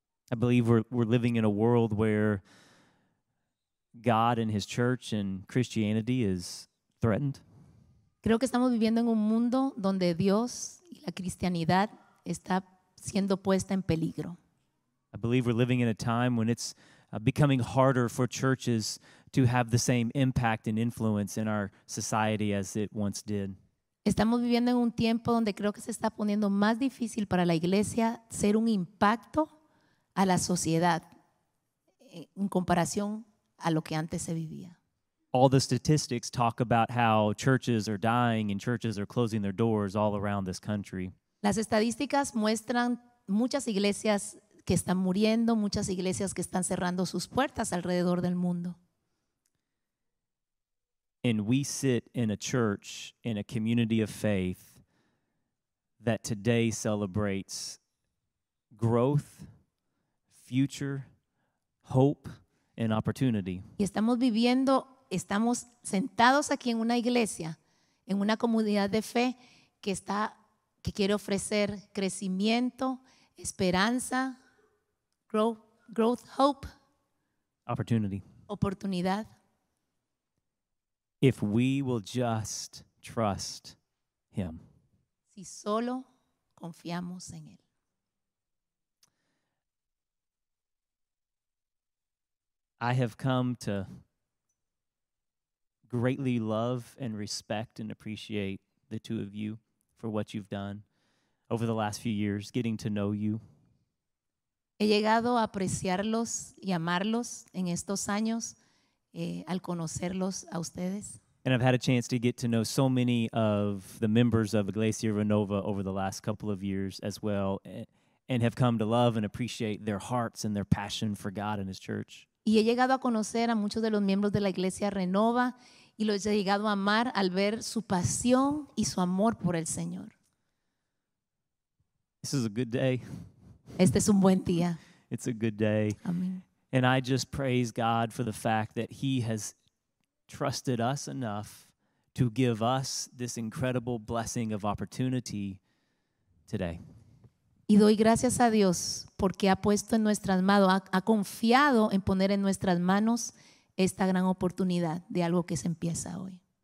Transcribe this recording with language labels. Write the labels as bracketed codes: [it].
[en] I believe we're living in a world where God and His church and Christianity is threatened. [es] Creo que estamos viviendo en un mundo donde Dios y la cristianidad está siendo puesta en peligro. [en] I believe we're living in a time when it's becoming harder for churches to have the same impact and influence in our society as it once did. [es] Estamos viviendo en un tiempo donde creo que se está poniendo más difícil para la iglesia ser un impacto a la sociedad en comparación a lo que antes se vivía. [en] All the statistics talk about how churches are dying and churches are closing their doors all around this country. [es] Las estadísticas muestran muchas iglesias que están muriendo, muchas iglesias que están cerrando sus puertas alrededor del mundo. [en] And we sit in a church, in a community of faith that today celebrates growth, future, hope, and opportunity. [es] Y estamos viviendo, estamos sentados aquí en una iglesia, en una comunidad de fe que está, que quiere ofrecer crecimiento, esperanza, [en] growth, hope, opportunity. [es] Oportunidad. [en] If we will just trust Him. [es] Si solo confiamos en Él. [en] I have come to greatly love and respect and appreciate the two of you for what you've done over the last few years, getting to know you. [es] He llegado a apreciarlos y amarlos en estos años al conocerlos a ustedes. [en] And I've had a chance to get to know so many of the members of Iglesia Renova over the last couple of years as well, and have come to love and appreciate their hearts and their passion for God and His church. [es] Y he llegado a conocer a muchos de los miembros de la Iglesia Renova y los he llegado a amar al ver su pasión y su amor por el Señor. [en] This is a good day. [es] Este es un buen día. [en] It's a good day. [es] Amén. [en] And I just praise God for the fact that He has trusted us enough to give us this incredible blessing of opportunity today. [es] Y doy gracias a Dios porque ha puesto en nuestras manos, ha confiado en poner en nuestras manos esta gran oportunidad de algo que se empieza hoy.